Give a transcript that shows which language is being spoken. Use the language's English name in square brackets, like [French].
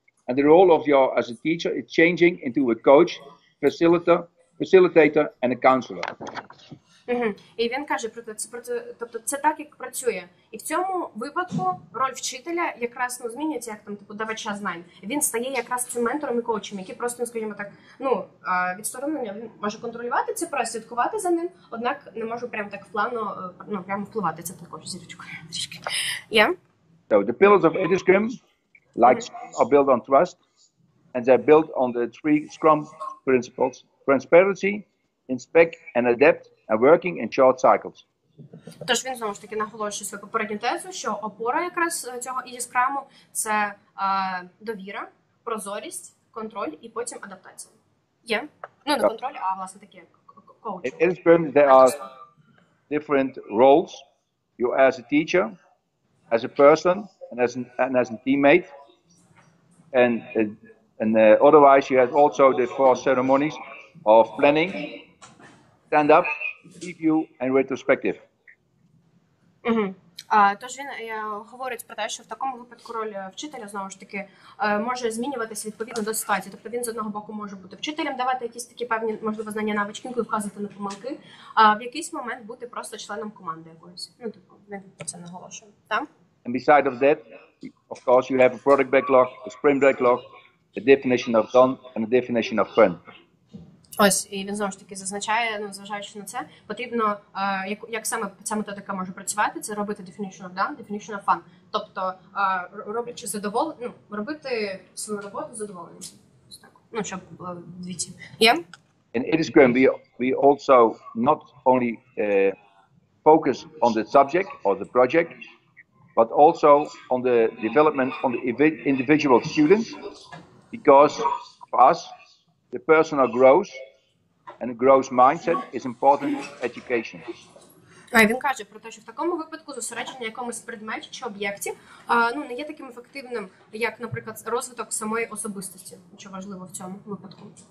[English] And the role of your as a teacher is changing into a coach, facilitator and a counselor. [Ukrainian] Mm-hmm. І він каже про це, тобто це так, як працює. І в цьому випадку роль вчителя якраз, ну, змінюється, як там, типу, давача знань. Він стає якраз цим ментором і коучем, який просто, скажімо так, ну, відсторонення, він може контролювати це, просто слідкувати за ним, однак не може прямо так плавно, ну, прямо впливати. Це також зірочкою трішки. [English] Yeah. So the pillars of EduScrum, like, are built on trust, and they're built on the three Scrum principles: transparency, inspect and adapt, and working in short cycles. [Ukrainian] Тож він знову ж таки наголошує свою попередню тезу, що опора якраз цього EduScrum — це довіра, прозорість, контроль і потім адаптація. Є? Ну, не контроль, а власне таке коучинг. [English] In EduScrum there are different roles. You as a teacher, as a person, and as a teammate, and otherwise you have also the four ceremonies of planning, stand up, review and retrospective. Mm-hmm. [Ukrainian] Тож він говорить про те, що в такому випадку роль вчителя, знову ж таки, може змінюватися відповідно до ситуації. Тобто він з одного боку може бути вчителем, давати якісь такі певні, можливо, знання, навички, вказувати на помилки, а в якийсь момент бути просто членом команди якоїсь. Ну, типу, це наголошую. [English] And beside of that, of course, you have a product backlog, a sprint backlog, a definition of done and a definition of fun. [Ukrainian] Ось, і він знову ж таки зазначає, ну, зважаючи на це, потрібно, як саме ця методика може працювати, це робити [English] definition of done, definition of fun. [Ukrainian] Тобто, роблячи задоволення, ну, робити свою роботу задоволеним. Ну, щоб було двічі. [English] Yeah? And it is going to be, we also not only focus on the subject or the project, but also on the development on the individual students, because for us, the personal growth and growth mindset is important education. [Ukrainian] А він каже про те, що в такому випадку зосередження якомусь предметі чи об'єкті, ну, не є таким ефективним, як, наприклад, розвиток самої особистості, що важливо в цьому випадку.